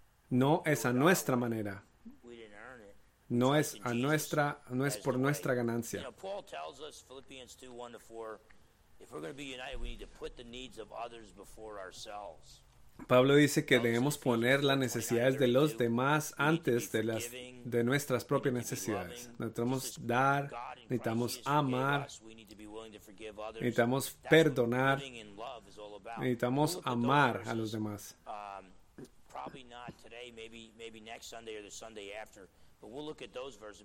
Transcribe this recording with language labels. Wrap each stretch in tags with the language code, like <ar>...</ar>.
<es>No es a nuestra manera. No es por nuestra ganancia.</es> <en>Paul tells us, Philippians 2:1-4, if we're going to be united, we need to put the needs of others before ourselves.</en> <es>Pablo dice que debemos poner las necesidades de los demás antes de las de nuestras propias necesidades. Necesitamos dar, necesitamos amar, necesitamos perdonar, necesitamos amar a los demás.</es> <en>Probably not today, maybe next Sunday or the Sunday after. But we'll look at those verses.</en>